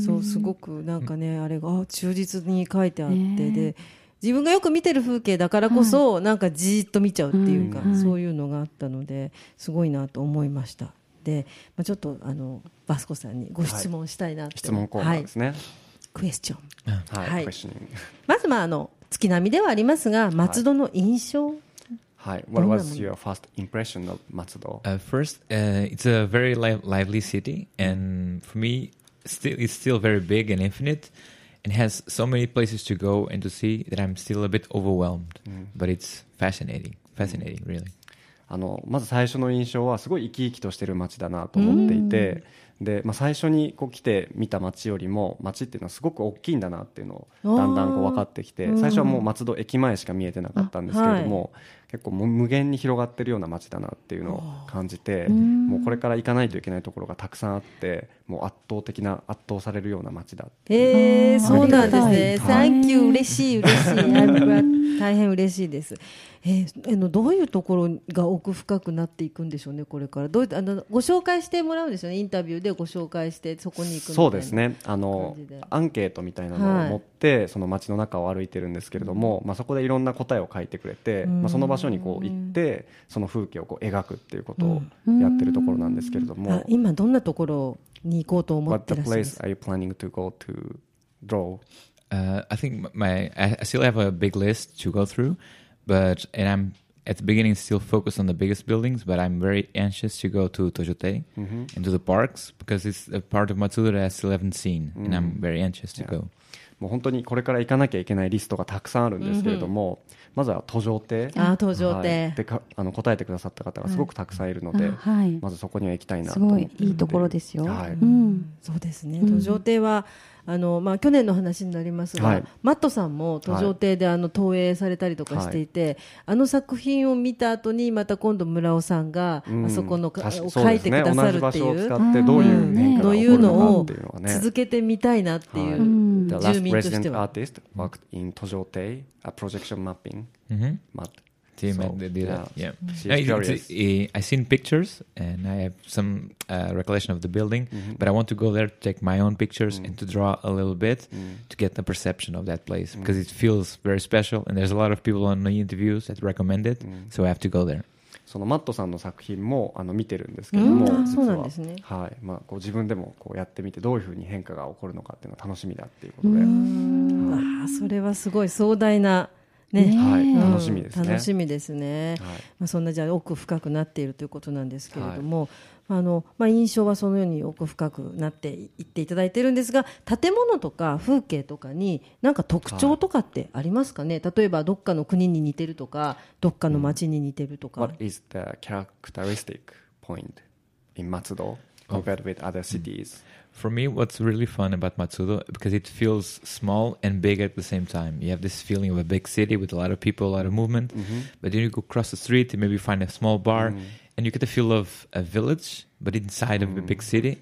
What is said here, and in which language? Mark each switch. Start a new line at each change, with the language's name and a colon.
Japanese: そう、すごくなんかね、あれが忠実に書いてあって、で自分がよく見てる風景だからこそ、なんかじーっと見ちゃうっていうか、そういうのがあったので、すごいなと思いました。で、ちょっとバスコさんにご質問したいなって、質問コーナーですね、クエスチョン、まず月並みではありますが、松戸の印象、
English: What was your first impression of 松戸? First, it's a very lively city, and for me, it's still very big and infinite, and has so many places to go and to see that I'm still a bit overwhelmed, but it's fascinating, really.
Japanese: まず最初の印象はすごい生き生きとしてる街だなと思っていて、で、最初にこう来て見た街よりも街っていうのはすごく大きいんだなっていうのをだんだんこう分かってきて、最初はもう松戸駅前しか見えてなかったんですけれども、結構もう無限に広がってるような街だなっていうのを感じて、もうこれから行かないといけないところがたくさんあって、もう圧倒的な、圧倒されるような街だって。そうなんですね。
English: Thank you、
Japanese: 嬉しい嬉しい、大変嬉しいです。どういうところが奥深くなっていくんでしょうね、これから。どうご紹介してもらうんですよね、インタビューでご紹介してそこに行くみたいな。そうですね、アンケートみたいなのを持って、その街の中を歩いてるんですけれども、そこでいろんな答えを書いてくれて、その場所にこう行って、その風景をこう描くっていうことをやってるところなんですけれども、今どんなところに行こうと思ってらっしゃるんですか?
English: What place are you planning to go to draw? I think I still have a big list to go throughBut, and I'm at the beginning still focused on the biggest buildings, but I'm very anxious to go to Tojotei and to the parks because it's a part of Matsuda that I still haven't seen, and I'm very anxious to go.
Japanese: もう本当にこれから行かなきゃいけないリストがたくさんあるんですけれども、まずは Tojotei。ああ、Tojotei。で、答えてくださった方がすごくたくさんいるので、まずそこには行きたいなと思って。すごいいいところですよ。そうですね。 Tojotei は、去年の話になりますが、マットさんも途上亭で投影されたりとかしていて、あの作品を見た後にまた今度村尾さんがあそこの書いてくださるっていう、同じ場所を使ってどういう変化が起こるのかっていうのはね、続けてみたいなっていう、住民としては。
English: The last resident artist worked in 途上亭 A projection mapping、 Matt team so, and they did that. Yeah. No, I seen pictures and I have some recollection of the building, but I want to go there to take my own pictures and to draw a little bit to get the perception of that place because it feels very special and there's a lot of people on the interviews that recommend it, so I have to go there.
Japanese: そのマットさんの作品もあの見てるんですけども、うん、そうなんですね。はい、まあこう自分でもこうやってみてどういうふうに変化が起こるのかっていうのが楽しみだっていうことで、ああそれはすごい壮大なね、はい、楽しみですね。楽しみですね。はい、まあ、そんなじゃあ奥深くなっているということなんですけれども、はい、まあ、印象はそのように奥深くなっていっていただいてるんですが、建物とか風景とかに何か特徴とかってありますかね。はい、例えばどっかの国に似てるとか、どっかの町に似てるとか。
English: What is the characteristic point in Matsudo compared with other cities? For me, what's really fun about Matsudo, because it feels small and big at the same time. You have this feeling of a big city with a lot of people, a lot of movement. Mm-hmm. But then you go across the street and maybe find a small bar and you get the feel of a village, but inside of a big city.